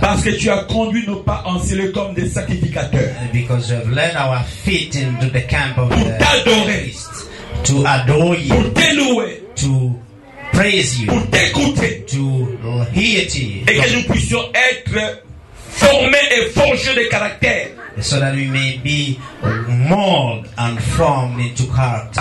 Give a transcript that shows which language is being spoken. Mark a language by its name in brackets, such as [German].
[French] Parce que tu as conduit nos pas en ciel comme des sacrificateurs. [English] And because you have led our feet into the camp of [French] pour [English] the [French] t'adorer, priest, [English] to adore you, [French] pour t'élouer, [English] to praise you, [French] pour t'écouter, [English] to hear to you, [French] et que nous puissions être formés et forgés de caractère. [English] So that we may be molded and formed into character.